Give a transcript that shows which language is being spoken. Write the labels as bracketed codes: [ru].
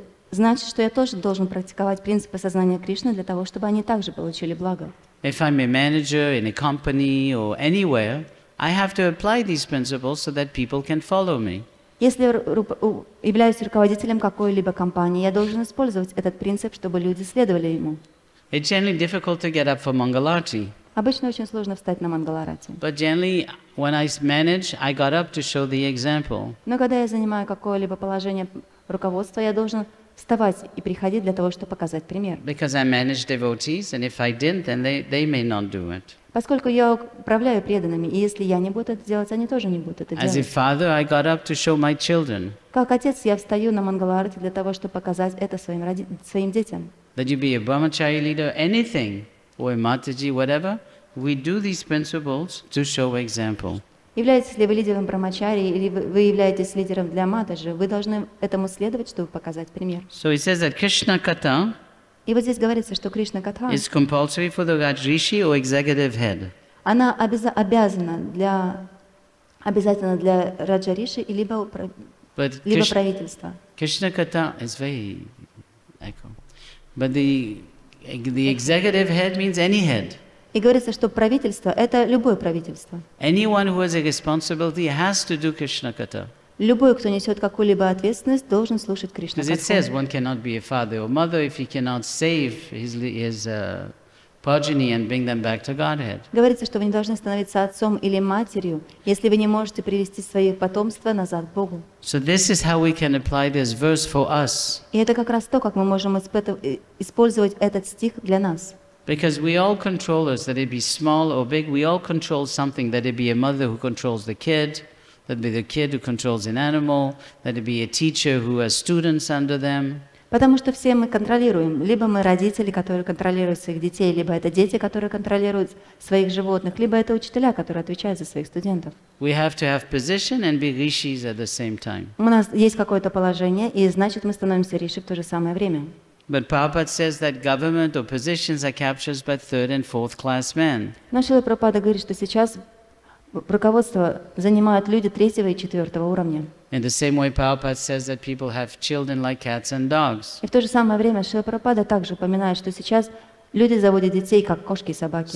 [ru] Значит, что я тоже должен практиковать принципы сознания Кришны для того, чтобы они также получили благо. [en] If I'm a manager in a company or anywhere, I have to apply these principles so that people can follow me. [ru] Если я являюсь руководителем какой-либо компании, я должен использовать этот принцип, чтобы люди следовали ему. [en] It's generally difficult to get up for Mangal Arati. [ru] Обычно очень сложно встать на Мангал Арати. [en] But generally, when I manage, I got up to show the example. [ru] Но когда я занимаю какое-либо положение руководства, я должен вставать и приходить для того, чтобы показать пример. [en] Because I manage devotees, and if I didn't, then they may not do it. [ru] Поскольку я управляю преданными, и если я не буду это делать, они тоже не будут это делать. [en] As a father, I got up to show my children. [ru] Как отец, я встаю на Мангал Арати для того, чтобы показать это своим детям. [en] That you be a brahmachari leader, anything, or a mataji, whatever, we do these principles to show example. [ru] Являетесь ли вы лидером брахмачари или вы являетесь лидером для матаджи, вы должны этому следовать, чтобы показать пример. [en] So it says that Krishna Katha. [ru] И вот здесь говорится, что Кришна Катха. [en] Is compulsory for the Rajrishi or executive head. [ru] Она обязательна для Раджариши либо правительства. [en] Krishna Katha is very echo. But the executive head means any head. [ru] И говорится, что правительство — это любое правительство. [en] Anyone who has a responsibility has to do Krishna Katha. [ru] Любой, кто несет какую-либо ответственность, должен слушать Кришна Катху. [en] Because it says one cannot be a father or mother if he cannot save his progeny and bring them back to Godhead. [ru] Говорится, что вы не должны становиться отцом или матерью, если вы не можете привести свое потомство назад к Богу. [en] So this is how we can apply this verse for us. [ru] И это как раз то, как мы можем использовать этот стих для нас. [en] Because we all control us, that it be small or big, we all control something, that it be a mother who controls the kid, that it be the kid who controls an animal, that it be a teacher who has students under them. [ru] Потому что все мы контролируем. Либо мы родители, которые контролируют своих детей, либо это дети, которые контролируют своих животных, либо это учителя, которые отвечают за своих студентов. [en] We have to have position and be rishis at the same time. [ru] У нас есть какое-то положение, и значит мы становимся риши в то же самое время. [en] But Prabhupada says that government or positions are captured by third and fourth class men. [ru] Но Шрила Прабхупада говорит, что сейчас руководство занимают люди третьего и четвертого уровня. [en] In the same way, Prabhupada says that people have children like cats and dogs. [ru] И в то же самое время Шрила Прабхупада также упоминает, что сейчас люди заводят детей как кошки и собаки.